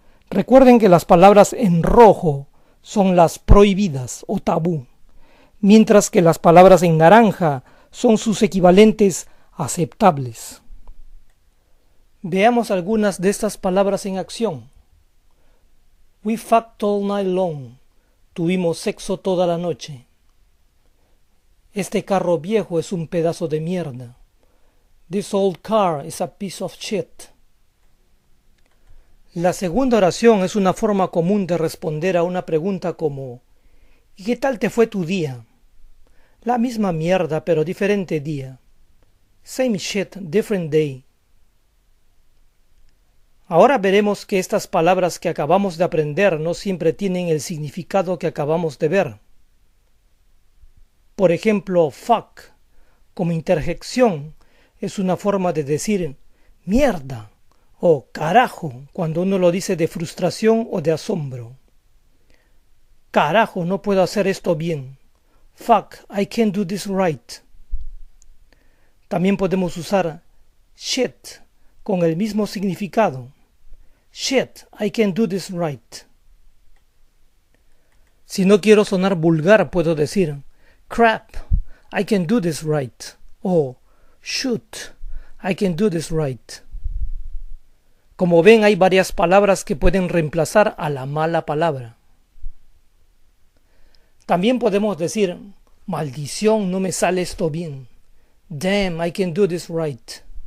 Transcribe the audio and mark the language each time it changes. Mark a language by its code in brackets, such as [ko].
[es] Recuerden que las palabras en rojo son las prohibidas o tabú, mientras que las palabras en naranja son sus equivalentes aceptables. Veamos algunas de estas palabras en acción. [en] We fucked all night long. [es] Tuvimos sexo toda la noche. Este carro viejo es un pedazo de mierda. [en] This old car is a piece of shit. [es] La segunda oración es una forma común de responder a una pregunta como ¿y qué tal te fue tu día? La misma mierda, pero diferente día. [en] Same shit, different day. [es] Ahora veremos que estas palabras que acabamos de aprender no siempre tienen el significado que acabamos de ver. Por ejemplo, fuck, como interjección, es una forma de decir mierda o carajo cuando uno lo dice de frustración o de asombro. Carajo, no puedo hacer esto bien. [en] Fuck, I can't do this right. [es] También podemos usar shit con el mismo significado. [en] Shit, I can't do this right. [es] Si no quiero sonar vulgar, puedo decir [en] crap, I can't do this right. O shoot, I can't do this right. [es] Como ven, hay varias palabras que pueden reemplazar a la mala palabra. También podemos decir maldición, no me sale esto bien. [en] Damn, I can't do this right.